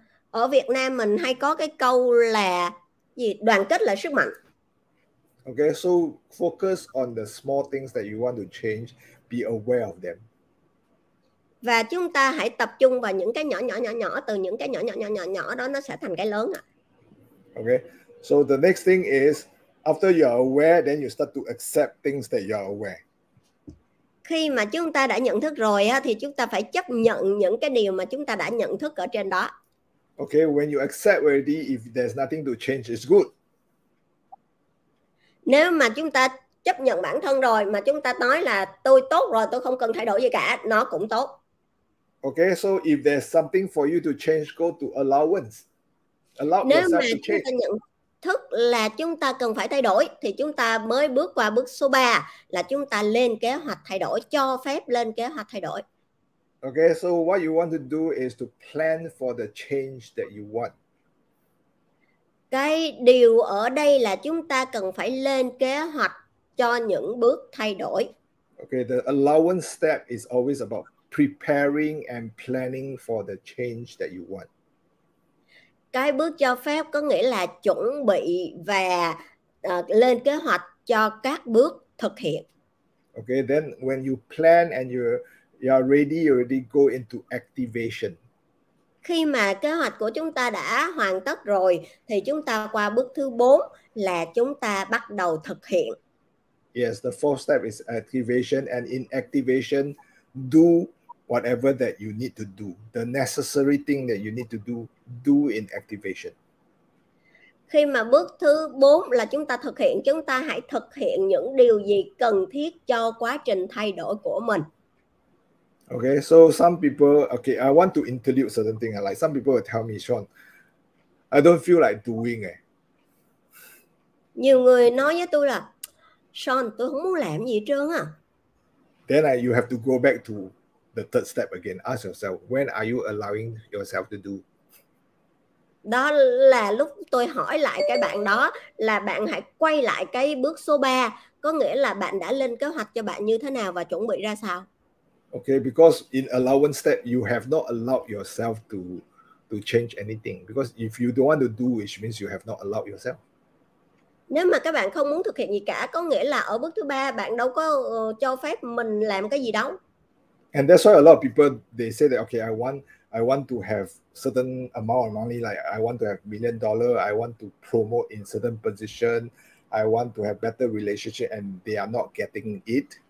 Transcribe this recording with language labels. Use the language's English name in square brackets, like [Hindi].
[Vietnamese] Ở Việt Nam mình hay có cái câu là gì? Đoàn kết là sức mạnh. [English] Okay, so focus on the small things that you want to change, be aware of them. [Vietnamese] Và chúng ta hãy tập trung vào những cái nhỏ nhỏ nhỏ nhỏ, từ những cái nhỏ nhỏ đó nó sẽ thành cái lớn ạ. [English] Okay, so the next thing is after you are aware, then you start to accept things that you are aware. [Vietnamese] Khi mà chúng ta đã nhận thức rồi á thì chúng ta phải chấp nhận những cái điều mà chúng ta đã nhận thức ở trên đó. [English] Okay, when you accept already, if there's nothing to change, it's good. [Vietnamese] Nếu mà chúng ta chấp nhận bản thân rồi mà chúng ta nói là tôi tốt rồi, tôi không cần thay đổi gì cả, nó cũng tốt. [English] Okay, so if there's something for you to change, go to allowance. Allow [Vietnamese] Nếu mà [English] yourself to [Vietnamese] chúng [English] change. [Vietnamese] ta nhận thức là chúng ta cần phải thay đổi thì chúng ta mới bước qua bước số 3 là chúng ta lên kế hoạch thay đổi, cho phép lên kế hoạch thay đổi. [English] Okay, so what you want to do is to plan for the change that you want. [Vietnamese] Cái điều ở đây là chúng ta cần phải lên kế hoạch cho những bước thay đổi. [English] Okay, the allowance step is always about preparing and planning for the change that you want. [Vietnamese] Cái bước cho phép có nghĩa là chuẩn bị và lên kế hoạch cho các bước thực hiện. [English] Okay, then when you plan and you are ready, you already go into activation. [Vietnamese] Khi mà kế hoạch của chúng ta đã hoàn tất rồi thì chúng ta qua bước thứ 4 là chúng ta bắt đầu thực hiện. [English] Yes, the fourth step is activation, and in activation, do whatever that you need to do. The necessary thing that you need to do, do in activation. [Vietnamese] Khi mà bước thứ 4 là chúng ta thực hiện, chúng ta hãy thực hiện những điều gì cần thiết cho quá trình thay đổi của mình. [English] Okay, so some people, okay, I want to interlude certain thing. Like some people will tell me, Sean, I don't feel like doing it. [Vietnamese] Nhiều người nói với tôi là Sean, tôi không muốn làm gì hết trơn à. [English] Then you have to go back to the third step again. Ask yourself, when are you allowing yourself to do? [Vietnamese] Đó là lúc tôi hỏi lại cái bạn đó là bạn hãy quay lại cái bước số 3, có nghĩa là bạn đã lên kế hoạch cho bạn như thế nào và chuẩn bị ra sao. [English] Okay, because in allowance step, you have not allowed yourself to change anything. Because if you don't want to do, which means you have not allowed yourself. [Vietnamese] Nếu mà các bạn không muốn thực hiện gì cả, có nghĩa là ở bước thứ 3 bạn đâu có cho phép mình làm cái gì đâu. [English] And that's why a lot of people they say that okay, I want to have certain amount of money, like I want to have $1 million, I want to promote in certain position, I want to have better relationship, and they are not getting it.